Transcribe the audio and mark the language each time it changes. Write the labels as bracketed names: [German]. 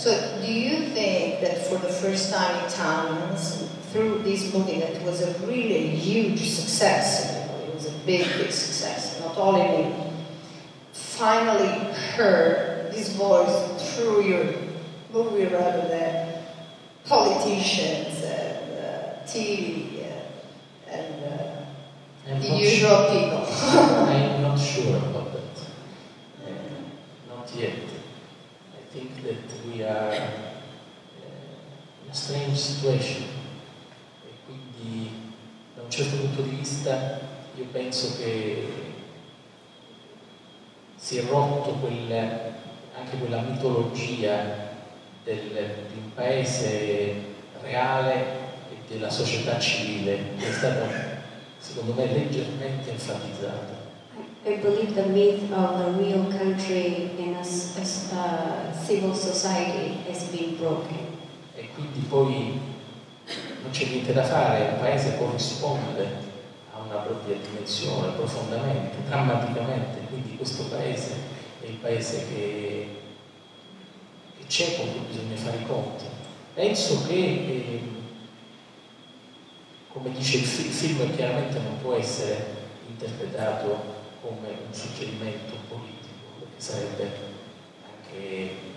[English] So do you think that for the first time Italians, through this movie, that was a really huge success, it was a big success, not only me, finally heard this voice through your movie rather than politicians and TV, and the usual people. I'm not sure about that. Not yet. I think that we are in a strange situation. [Italian] E quindi, da un certo punto di vista, io penso che si è rotto anche quella mitologia di un paese reale e della società civile. È stata, secondo me, leggermente enfatizzata. [English] I believe the myth of a real country in a civil society has been broken. [Italian] E quindi poi non c'è niente da fare, il paese corrisponde a una propria dimensione profondamente, drammaticamente, quindi questo paese è il paese che c'è, con cui bisogna fare i conti. Penso che come dice il film, chiaramente non può essere interpretato come un suggerimento politico, perché sarebbe anche,